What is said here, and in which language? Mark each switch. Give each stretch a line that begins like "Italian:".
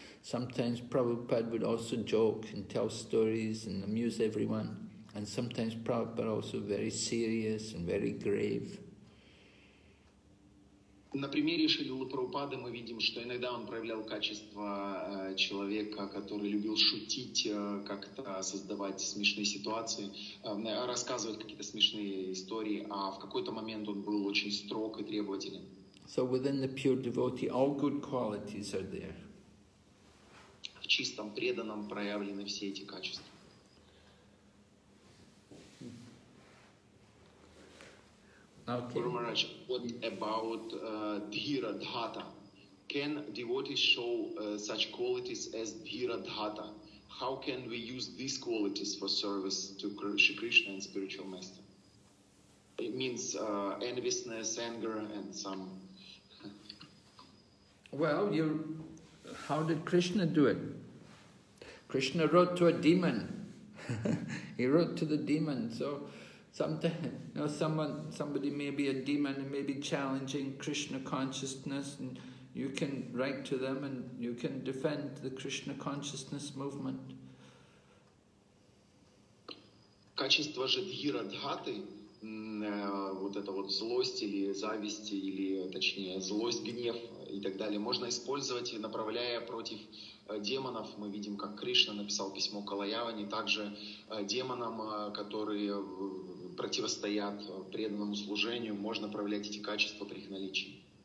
English: Sometimes Prabhupada would also joke and tell stories and amuse everyone. And sometimes Prabhupada also very serious and very grave.
Russian: На примере Шрилы Прабхупады мы видим, что иногда он проявлял качество человека, который любил шутить, как-то создавать смешные ситуации, рассказывать какие-то смешные истории, а в какой-то момент он был очень строг и требователен.
English: So within the pure devotee, all good qualities are there.
Russian: В чистом преданном проявлены все эти качества.
English: Okay. Guru Maharaj, what about Dhira Dhata? Can devotees show such qualities as Dhira Dhata? How can we use these qualities for service to Sri Krishna and spiritual master? It means enviousness, anger, and some. Well, how did Krishna do it? Krishna wrote to a demon. He wrote to the demon, so. Somebody may be a demon and may be challenging Krishna consciousness, and you can write to them and you can defend the Krishna consciousness movement.
Russian: Качество же дхира дхаты, вот это вот злость или зависть, или точнее злость, гнев и так далее, можно использовать, направляя против демонов. Мы видим, как Кришна написал письмо Калаяване, также демонам, которые противостоят преданному служению, можно проявлять эти качества при их наличии.